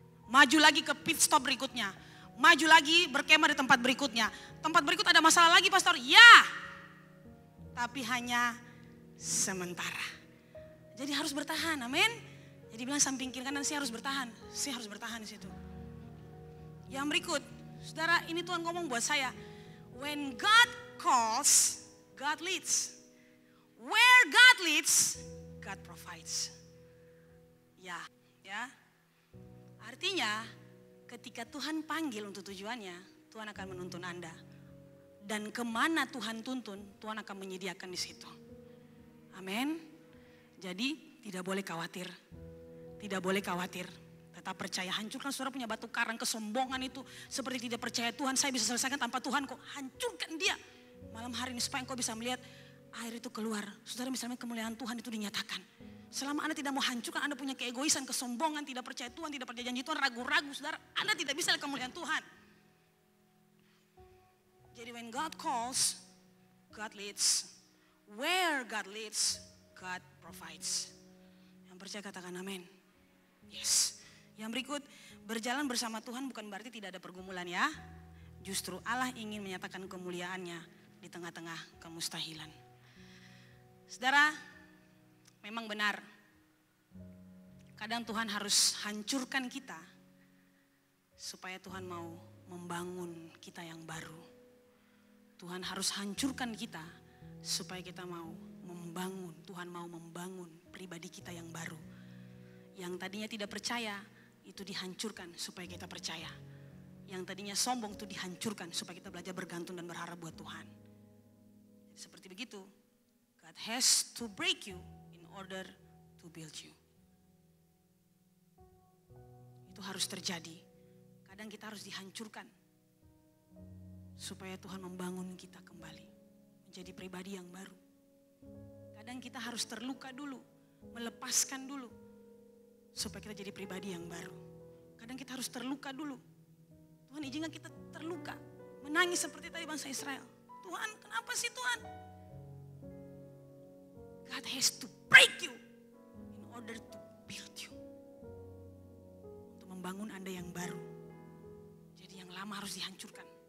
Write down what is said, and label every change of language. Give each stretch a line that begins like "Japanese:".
Indonesian: Maju lagi ke pit stop berikutnya. Maju lagi berkemah di tempat berikutnya. Tempat berikut ada masalah lagi, Pastor? Ya! tapi hanya sementara. Jadi harus bertahan, amin. Jadi bilang samping kiri kanan, saya harus bertahan. Saya harus bertahan di situ. Yang berikut, saudara, ini Tuhan ngomong buat saya.
English: When God calls, God leads. Where God leads, God provides.
Indonesian: Ya, ya. Artinya, ketika Tuhan panggil untuk tujuannya, Tuhan akan menuntun Anda. Dan kemana Tuhan tuntun, Tuhan akan menyediakan di situ. Amin. Jadi, tidak boleh khawatir. Tidak boleh khawatir. Tetap percaya. Hancurkan saudara punya batu karang, kesombongan itu. Seperti tidak percaya Tuhan, saya bisa selesaikan tanpa Tuhan kok. Hancurkan dia. Malam hari ini, supaya engkau bisa melihat air itu keluar. Saudara, misalnya kemuliaan Tuhan itu dinyatakan. Selama Anda tidak mau hancurkan, Anda punya keegoisan, kesombongan, tidak percaya Tuhan, tidak percaya janji Tuhan, ragu-ragu, saudara, Anda tidak bisa lihat kemuliaan Tuhan. Jadi,
English: when God calls, God leads. Where God leads, God provides.
Indonesian: Yang percaya katakan amin.
English: Yes.
Indonesian: Yang berikut, berjalan bersama Tuhan bukan berarti tidak ada pergumulan ya. Justru Allah ingin menyatakan kemuliaannya di tengah-tengah kemustahilan. Saudara, memang benar. Kadang Tuhan harus hancurkan kita supaya Tuhan mau membangun kita yang baru. Tuhan harus hancurkan kita supaya kita mau membangun, Tuhan mau membangun pribadi kita yang baru. Yang tadinya tidak percaya, itu dihancurkan supaya kita percaya. Yang tadinya sombong, itu dihancurkan supaya kita belajar bergantung dan berharap buat Tuhan. Jadi seperti begitu,
English: God has to break you in order to build you.
Indonesian: Itu harus terjadi. Kadang kita harus dihancurkan supaya Tuhan membangun kita kembali menjadi pribadi yang baru. Kadang kita harus terluka dulu, melepaskan dulu supaya kita jadi pribadi yang baru. Kadang kita harus terluka dulu. Tuhan izinkan kita terluka, menangis seperti tadi bangsa Israel. Tuhan, kenapa sih Tuhan?
English: God has to break you in order to build you.
Indonesian: Untuk membangun Anda yang baru. Jadi yang lama harus dihancurkan.